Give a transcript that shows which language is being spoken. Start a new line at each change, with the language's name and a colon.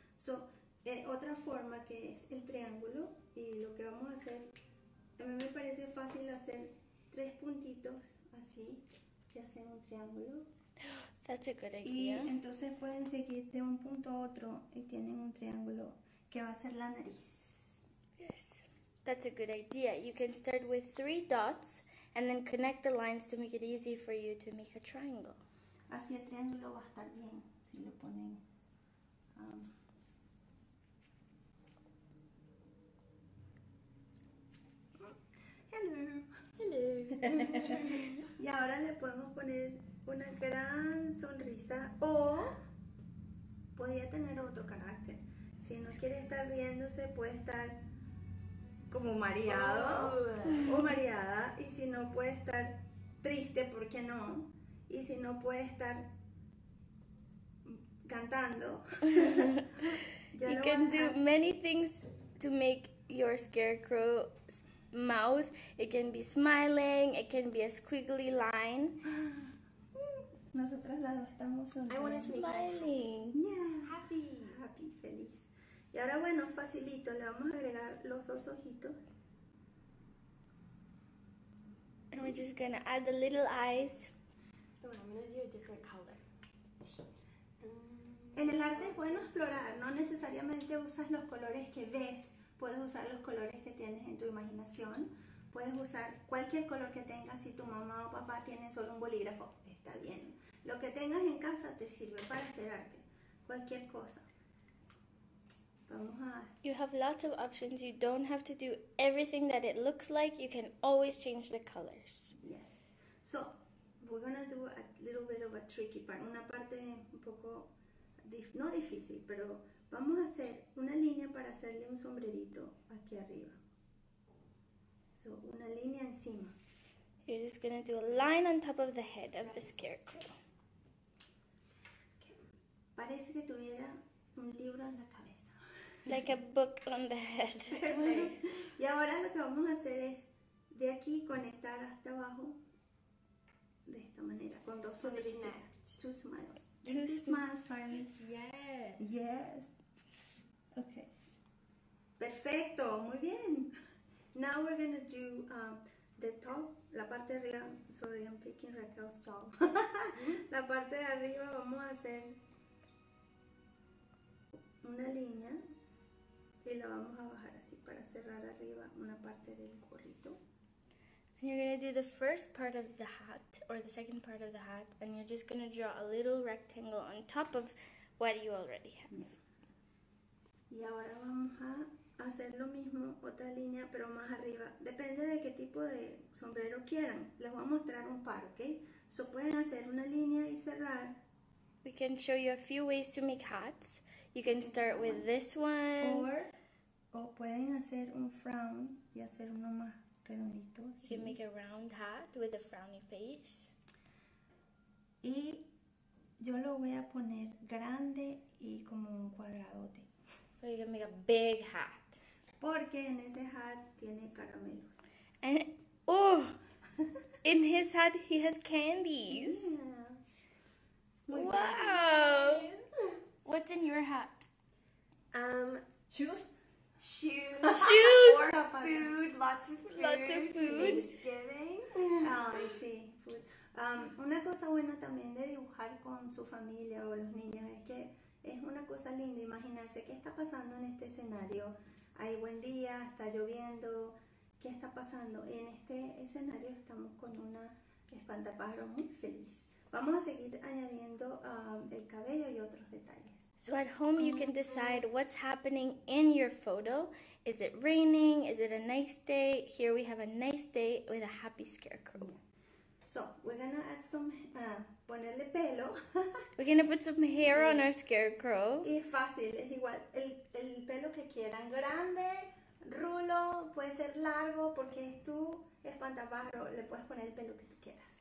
Spanish: So, otra forma que es el triángulo, y lo que vamos a hacer, a mí me parece fácil hacer tres puntitos así, y hacer un triángulo.
English: That's a good idea.
Spanish: Y entonces pueden seguir de un punto a otro y tienen un triángulo que va a ser la nariz.
English: Yes, that's a good idea. You can start with three dots and then connect the lines to make it easy for you to make a triangle.
Spanish: Así el triángulo va a estar bien si lo ponen.
English: Hello. Hello.
Spanish: Y ahora le podemos poner una gran sonrisa, o podría tener otro carácter. Si no quiere estar riéndose, puede estar como mareado o mareada. Y si no, puede estar triste, ¿por qué no? Y si no, puede estar cantando.
English: You can do many things to make your scarecrow mouth. It can be smiling, it can be a squiggly line.
Spanish: Nosotras las dos estamos
English: smiling. Yeah. Happy. Happy,
Spanish: feliz. Y ahora, bueno, facilito, le vamos a agregar los dos ojitos.
English: And we're just gonna add the little eyes. Oh, I'm gonna do a different color.
Spanish: En el arte es bueno explorar, no necesariamente usas los colores que ves, puedes usar los colores que tienes en tu imaginación, puedes usar cualquier color que tengas. Si tu mamá o papá tienen solo un bolígrafo, está bien. Lo que tengas en casa te sirve para hacer arte, cualquier cosa.
English: You have lots of options. You don't have to do everything that it looks like. You can always change the colors. Yes. So, we're going to do a little bit of a tricky part.
Spanish: Una parte un poco, no difícil, pero vamos a hacer una línea para hacerle un sombrerito aquí arriba. So, una línea encima.
English: You're just going to do a line on top of the head of the scarecrow.
Spanish: Parece que tuviera un libro en la cabeza.
English: Like a book on the head.
Spanish: Y ahora lo que vamos a hacer es de aquí conectar hasta abajo de esta manera con dos sonrisas.
English: Two smiles. Two smiles, Carly. Yes. Okay.
Spanish: Perfecto. Muy bien.
English: Now we're gonna do the top,
Spanish: la parte de arriba.
English: Sorry, I'm taking Raquel's job.
Spanish: La parte de arriba vamos a hacer una línea. Y la vamos a bajar así para cerrar arriba una parte del gorrito.
English: And you're going to do the first part of the hat, or the second part of the hat, and you're just going to draw a little rectangle on top of what you already have. Yeah.
Spanish: Y ahora vamos a hacer lo mismo, otra línea, pero más arriba. Depende de qué tipo de sombrero quieran. Les voy a mostrar un par, ¿ok? So pueden hacer una línea y cerrar.
English: We can show you a few ways to make hats. You can start with this one.
Spanish: Or pueden hacer un frown y hacer uno más redondito.
English: You can make a round hat with a frowny face.
Spanish: Y yo lo voy a poner grande y como un cuadradote.
English: Or you can make a big hat.
Spanish: Porque en ese hat tiene caramelos.
English: And, oh, in his hat he has candies. Yeah. Wow. What's in your hat? Shoes. Shoes. Or food. Lots of food. Lots of food. Thanksgiving.
Spanish: Ah, sí. Food. Una cosa buena también de dibujar con su familia o los niños es que es una cosa linda imaginarse qué está pasando en este escenario. Hay buen día, está lloviendo. ¿Qué está pasando? En este escenario estamos con una espantapájaro muy feliz. Vamos a seguir añadiendo el cabello y otros detalles.
English: So at home you can decide what's happening in your photo. Is it raining? Is it a nice day? Here we have a nice day with a happy scarecrow. Yeah. So we're gonna add some,
Spanish: ponerle pelo.
English: We're gonna put some hair on our scarecrow.
Spanish: Y fácil, es igual, el pelo que quieran. Grande, rulo, puede ser largo, porque es tu espantapájaro, le puedes poner el pelo que tú quieras.